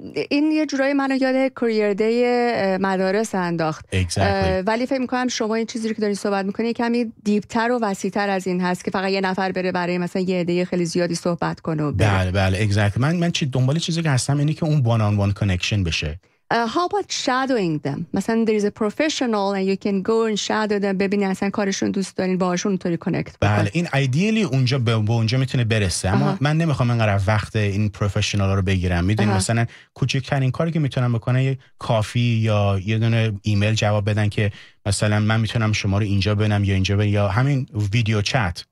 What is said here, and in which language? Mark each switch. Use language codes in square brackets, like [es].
[fa] این یه جورایی منو یاد کریر دی مدارس انداخت [en] exactly. [fa] ولی فکر میکنم شما این چیزی رو که دارین صحبت میکنی کمی دیپتر و وسیع‌تر از این هست که فقط یه نفر بره برای مثلا یه عده خیلی زیادی صحبت کنه بله بله exactly. من چی دنبال چیزی که هستم اینه که اون وان آن وان کانکشن بشه [en] how about shadowing them مثلا there is a professional and you can go and shadow them [fa] ببینی اصلا کارشون دوست دارین باهاشون اونطوری کانکت بکنی بله این ایدئالی اونجا به اونجا میتونه برسه اما من نمیخوام انقدر وقت این پروفشنال رو بگیرم میدونی مثلا کوچکترین کاری که میتونم بکنم یه کافی یا یه دونه ایمیل جواب بدن که مثلا من میتونم شما رو اینجا ببینم یا اینجا ببینم یا همین ویدیو چت